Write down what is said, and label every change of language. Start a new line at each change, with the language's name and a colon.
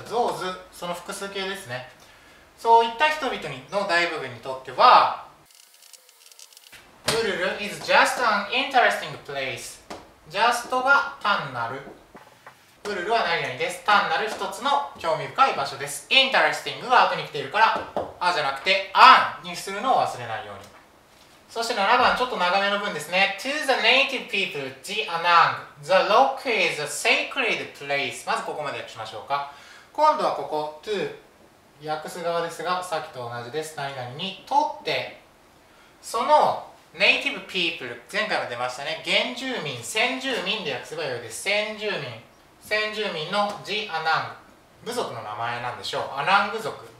Japanese: those その複数形ですね。そういった人々にの大部分にとっては、
English: Ulu is just an interesting place。
Japanese: just は単なる、 Ulu は何々です、単なる一つの興味深い場所です。 interesting は後に来ているからあじゃなくて、あんにするのを忘れないように。そして7番、ちょっと長めの文ですね。
English: To the native people, the Anang, the rock is a sacred place.
Japanese: まずここまで訳しましょうか。今度はここ、to、訳す側ですが、さっきと同じです。何々にとって、その native people、前回も出ましたね。原住民、先住民で訳せばよいです。先住民、先住民の the Anang、部族の名前なんでしょう。Anang 部族。